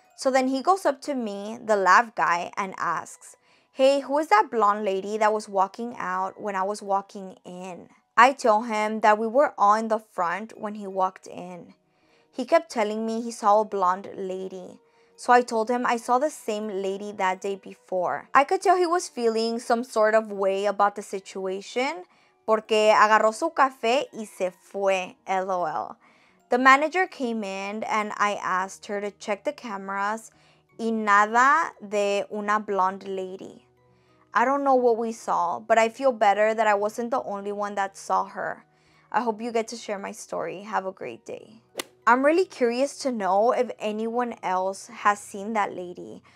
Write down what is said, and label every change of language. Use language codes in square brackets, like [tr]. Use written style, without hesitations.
[en] So then he goes up to me, the lab guy, and asks, "Hey, who is that blonde lady that was walking out when I was walking in?" I tell him that we were all in the front when he walked in. He kept telling me he saw a blonde lady. So I told him I saw the same lady that day before. I could tell he was feeling some sort of way about the situation. [es] Porque agarró su café y se fue, LOL. [en] The manager came in and I asked her to check the cameras. [es] Y nada de una [en] blonde lady. I don't know what we saw, but I feel better that I wasn't the only one that saw her. I hope you get to share my story. Have a great day. I'm really curious to know if anyone else has seen that lady.